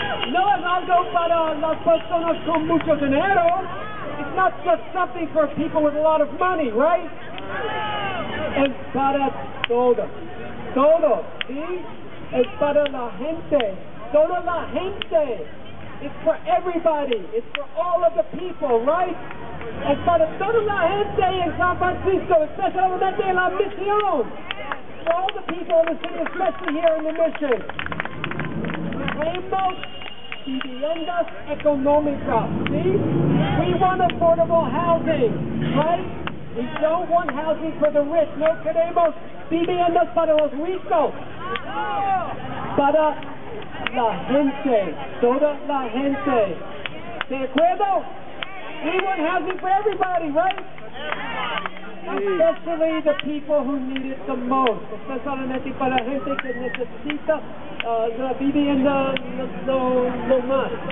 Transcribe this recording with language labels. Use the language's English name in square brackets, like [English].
[Spanish] No es algo para las personas con mucho dinero. [English] It's not just something for people with a lot of money, right? [Spanish] Es para todos. Todos, ¿sí? Es para la gente. Toda la gente. [English] It's for everybody. It's for all of the people, right? [Spanish] Es para toda la gente en San Francisco, especialmente en la misión. [English] For all the people in the city, especially here in the mission. [Spanish] Queremos viviendas económicas, ¿sí? [English] We want affordable housing, right? We don't want housing for the rich. [Spanish] No queremos viviendas para los ricos. Para la gente, toda la gente. ¿De acuerdo? [English] We want housing for everybody, right? Especially the people who need it the most. [Spanish] Especialmente para la gente que necesita la vivienda lo más.